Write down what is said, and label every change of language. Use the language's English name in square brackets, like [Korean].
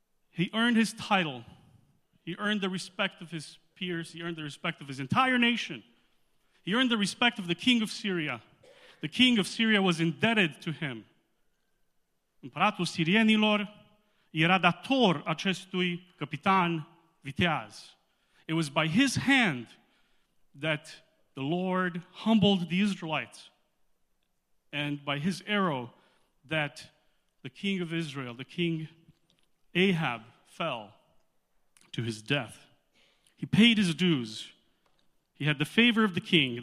[English] He earned his title. He earned the respect of his peers. He earned the respect of his entire nation. He earned the respect of the king of Syria. The king of Syria was indebted to him. [Romanian] Împăratul sirienilor era dator acestui capitan viteaz. [English] It was by his hand that the Lord humbled the Israelites, and by his arrow that the king of Israel, the king Ahab, fell to his death. He paid his dues. He had the favor of the king.